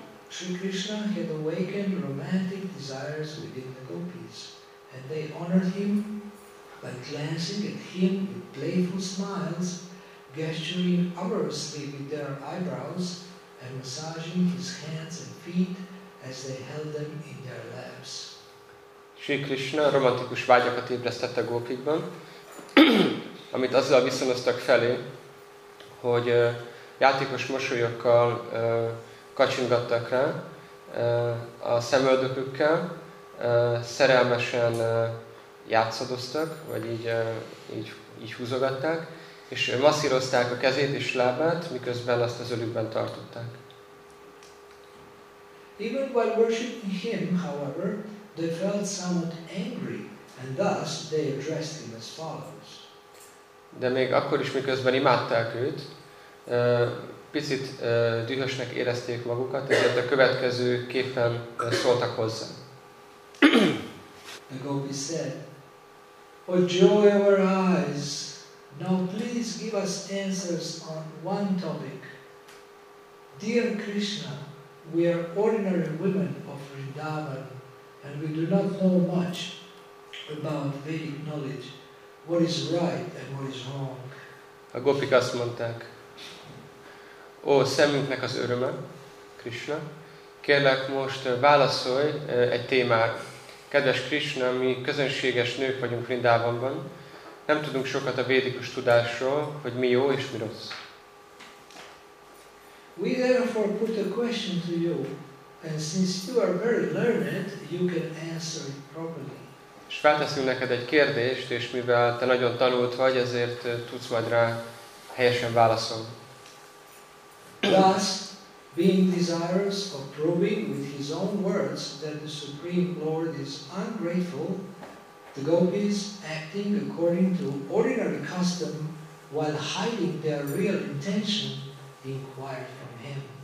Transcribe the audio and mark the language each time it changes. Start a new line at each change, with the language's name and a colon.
English: Shri Krishna had awakened romantic desires within the gopis, and they honored him by glancing at him with playful smiles, gesturing amorously with their eyebrows, and massaging his hands and feet as they held them in their laps.
Hungarian: Shri Krishna romantikus vágyakat ébresztette a gópikban, amit azzal viszonoztak felé, hogy játékos mosolyokkal kacsingattak rá a szemöldökükkel, szerelmesen játszadoztak, vagy így húzogatták, és masszírozták a kezét és lábát, miközben azt az ölükben tartották.
English: Even while worshiping him, however, they felt somewhat angry, and thus they addressed him as follows.
Hungarian: De még akkor is, miközben imádták őt, picit dühösnek érezték magukat, ezért a következő képen szóltak hozzá.
English: The gopi said, "O joy of our eyes, now please give us answers on one topic. Dear Krishna, we are ordinary women of Vrindavan, and we do not know much about Vedic knowledge. What is right and what is wrong?"
Hungarian: A gopik azt mondták, "Ó, szemünknek az öröme, Krishna, kérlek most válaszolj egy témát. Kedves Krishna, mi közönséges nők vagyunk Vrindavanban. Nem tudunk sokat a védikus tudásról, hogy mi jó és mi rossz.
English: We therefore put a question to you, and since you are very learned, you can answer it properly."
Hungarian: És felteszünk neked egy kérdést, és mivel te nagyon tanult vagy, ezért tudsz majd rá helyesen válaszolni.
English: Thus, being desirous of proving with his own words that the Supreme Lord is ungrateful, the gopis, acting according to ordinary custom while hiding their real intention, inquired from him.